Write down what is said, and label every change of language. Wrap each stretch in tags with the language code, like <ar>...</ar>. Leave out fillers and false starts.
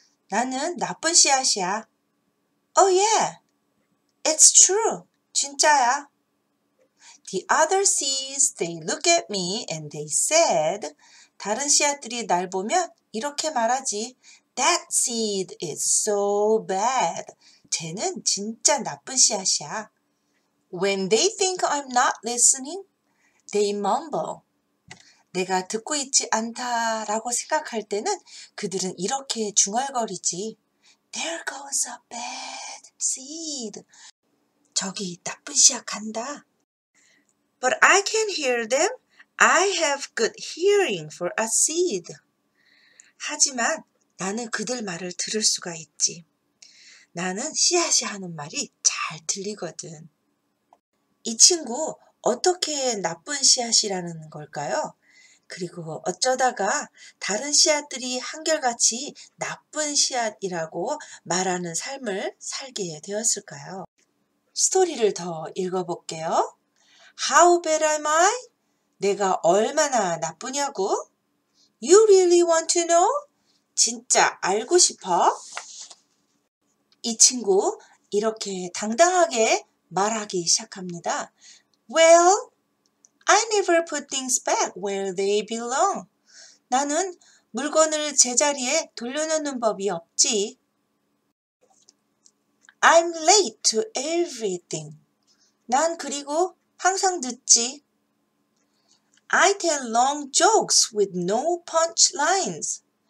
<ko>나는 나쁜 씨앗이야.</ko> <en>Oh yeah, it's true.</en> <ko>진짜야.</ko> <en>The other seeds, they look at me and they said,</en> <ko>다른 씨앗들이 날 보면 이렇게 말하지.</ko> <en>That seed is so bad.</en> <ko>쟤는 진짜 나쁜 씨앗이야.</ko> <en>When they think I'm not listening, they mumble.</en> <ko>내가 듣고 있지 않다라고 생각할 때는 그들은 이렇게 중얼거리지.</ko> <en>There goes a bad seed.</en> <ko>저기 나쁜 씨앗 간다.</ko> <en>But I can hear them. I have good hearing for a seed.</en> <ko>하지만 나는 그들 말을 들을 수가 있지. 나는 씨앗이 하는 말이 잘 들리거든. 이 친구 어떻게 나쁜 씨앗이라는 걸까요? 그리고 어쩌다가 다른 씨앗들이 한결같이 나쁜 씨앗이라고 말하는 삶을 살게 되었을까요? 스토리를 더 읽어볼게요.</ko> <en>How bad am I?</en> <ko>내가 얼마나 나쁘냐고?</ko> <en>You really want to know?</en> <ko>진짜 알고 싶어? 이 친구 이렇게 당당하게 말하기 시작합니다.</ko> <en>Well, I never put things back where they belong.</en> <ko>나는 물건을 제자리에 돌려놓는 법이 없지.</ko> <en>I'm late to everything.</en> <ko>난 그리고 항상 늦지.</ko> <en>I tell long jokes with no punchlines.</en>